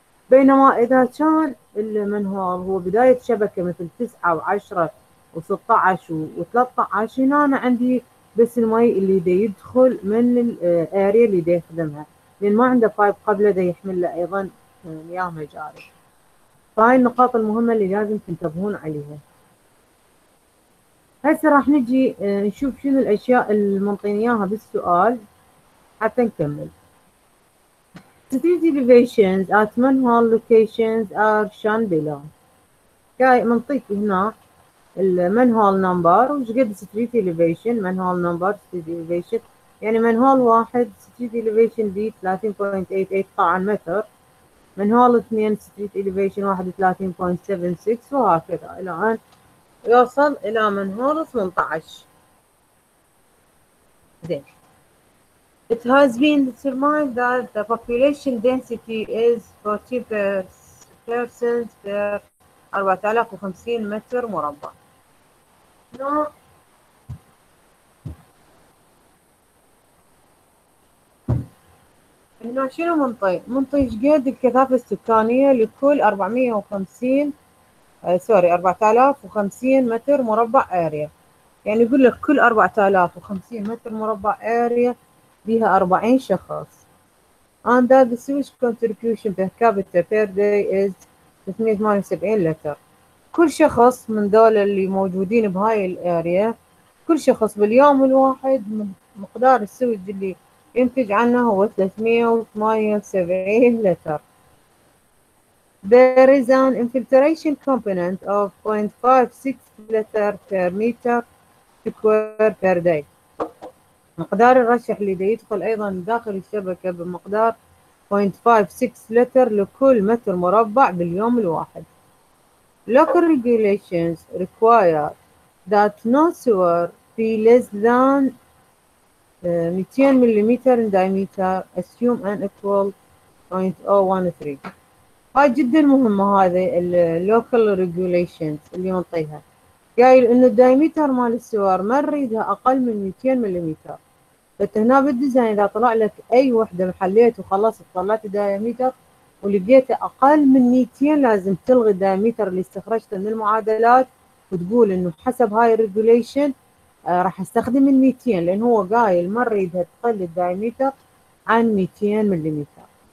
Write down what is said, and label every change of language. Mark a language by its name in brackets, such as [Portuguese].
[Arabic] بينما إذا كان اللي من هو بداية شبكة مثل 9 و10 و16 و13، هنا أنا عندي بس المي اللي دا يدخل من الأريا اللي دا يخدمها، لأن ما عنده بايب قابلة دا يحمل له أيضا مياه مجاري. فهاي النقاط المهمة اللي لازم تنتبهون عليها. هسه راح نجي نشوف شنو الأشياء اللي منطيني إياها بالسؤال حتى نكمل. [English] City elevations at manhole locations are shown below. [Arabic] كاي منطيك هنا المنهول نمبر وش قد ستريت اليفيشن، منهول نمبر ستريت اليفيشن يعني منهول واحد ستريت اليفيشن دي 30.88 قطعا متر، منهول اثنين ستريت اليفيشن 31.76 وهكذا الى ان يوصل الى منهول 18. زين. [English] It has been determined that the population density is 40 persons per 4050 [Arabic] متر مربع. [English] No. [Arabic] هنا شنو منطي؟ منطي شقد الكثافة السكانية لكل 450 سوري 4050 متر مربع اريا. يعني يقول لك كل 4050 متر مربع اريا بها 40 شخص. [English] And that the sewage contribution per capita per day is 378 لتر. [Arabic] كل شخص من دول اللي موجودين بهاي الاريا، كل شخص باليوم الواحد مقدار السويج اللي ينتج عنه هو 378 لتر. [English] There is an infiltration component of 0.56 لتر per meter square per day. [Arabic] مقدار الرشح اللي دي يدخل ايضا داخل الشبكة بمقدار 0.56 لتر لكل متر مربع باليوم الواحد. [English] Local regulations require that no sewer be less than 200 millimeter in diameter, assume an equal 0.013. [Arabic] هاي جدا مهمة هذه ال local regulations اللي منطيها. قايل انه الدايمتر مال السوار ما نريدها اقل من 200 مليمتر. بس هنا بالديزاين اذا طلع لك اي وحدة محليت وخلاص طلعت الدايمتر ولقيته اقل من 200، لازم تلغي الدايمتر اللي استخرجته من المعادلات وتقول انه حسب هاي الريجوليشن راح استخدم ال 200، لان هو قايل ما نريدها تقل الدايمتر عن 200 مليمتر.